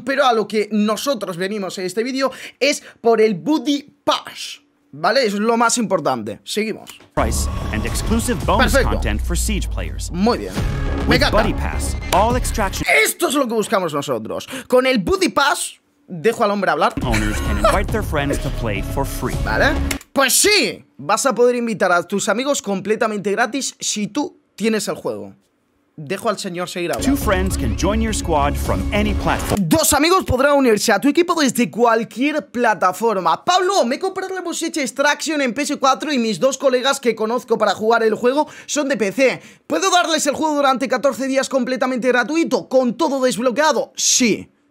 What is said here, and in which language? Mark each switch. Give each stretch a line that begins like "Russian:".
Spanish: Pero a lo que nosotros venimos en este vídeo es por el buddy pass. Vale, eso es lo más importante. Seguimos.
English: Price and exclusive bonus.
Spanish: Perfecto.
English: Content for Siege players.
Spanish: Muy bien.
English: With Buddy Pass, all extraction.
Spanish: Esto es lo que buscamos nosotros. Con el Buddy Pass, dejo al hombre hablar.
English: Owners can invite their friends to play for free.
Spanish: ¿Vale? Pues sí, vas a poder invitar a tus amigos completamente gratis si tú tienes el juego. Dejo al señor seguir hablando.
English: Two friends can join your squad from any platform.
Spanish: Dos amigos podrán unirse a tu equipo desde cualquier plataforma. Pablo, me he comprado la Rainbow Six Extraction en PS4 y mis dos colegas que conozco para jugar el juego son de PC. ¿Puedo darles el juego durante 14 días completamente gratuito, con todo desbloqueado? Sí.